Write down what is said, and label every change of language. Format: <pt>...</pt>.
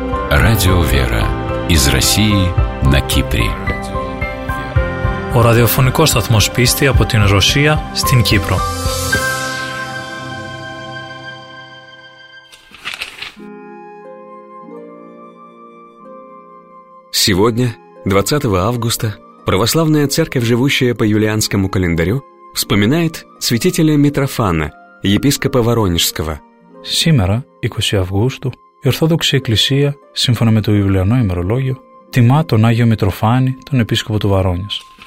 <ru>Радио «Вера» из России на Кипре.</ru> <el>Ο ραδιοφωνικός σταθμός πίστη από την Ρωσία στην Κύπρο.</el> <ru>Сегодня, 20 августа, православная церковь, живущая по юлианскому календарю, вспоминает святителя Митрофана, епископа Воронежского. Сегодня, 20 августа,</ru> <el>η Ορθόδοξη Εκκλησία, σύμφωνα με το Ιουλιανό ημερολόγιο, τιμά τον Άγιο Μητροφάνη, τον επίσκοπο του Βαρόνιας.</el>